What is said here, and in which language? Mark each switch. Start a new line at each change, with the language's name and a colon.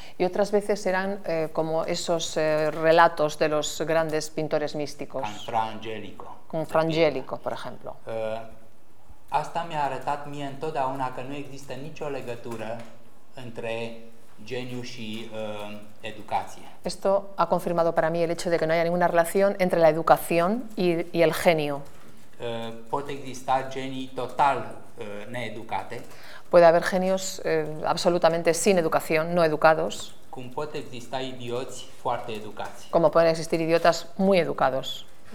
Spanish: Y otras veces eran como esos relatos de los grandes pintores místicos.
Romanian: Ca Fra Angelico.
Spanish: Con Fra Angelico, por ejemplo.
Romanian: Asta mi-a arătat mie întotdeauna că nu există nicio legătură între geniu și educație.
Spanish: Esto ha confirmado para mí el hecho de que no haya ninguna relación entre la educación y el genio.
Romanian: Pot exista genii total needucate.
Spanish: Puede haber genios absolutamente sin educación, no educados.
Romanian: Cum pot exista idioți foarte educați.
Spanish: Como pueden existir idiotas muy educados.